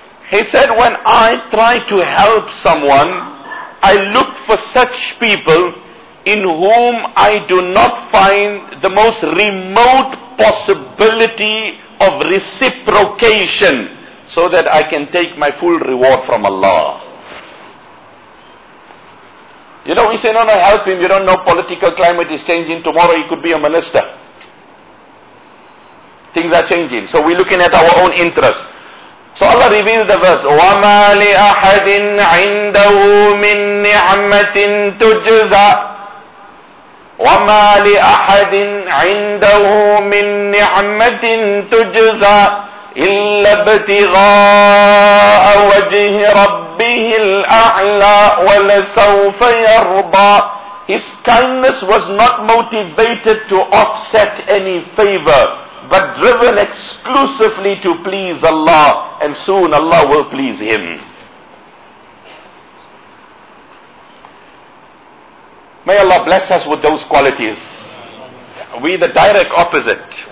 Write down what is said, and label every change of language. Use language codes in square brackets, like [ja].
[en] He said, "When I try to help someone, I look for such people in whom I do not find the most remote possibility of reciprocation so that I can take my full reward from Allah." You know, we say, "No, no, help him. You don't know political climate is changing. Tomorrow he could be a minister. Things are changing." So we're looking at our own interests. So Allah reveals the verse, [ar] وَمَا لِأَحَدٍ عِنْدَهُ مِنْ نِعْمَةٍ تُجْزَى وَمَا لِأَحَدٍ عِنْدَهُ مِنْ نِعْمَةٍ تُجْزَى إِلَّا ابْتِغَاءَ وَجْهِ رَبِّهِ الْأَعْلَى وَلَسَوْفَ يَرْضَى. [en] His kindness was not motivated to offset any favor, but driven exclusively to please Allah, and soon Allah will please him. May Allah bless us with those qualities. We the direct opposite.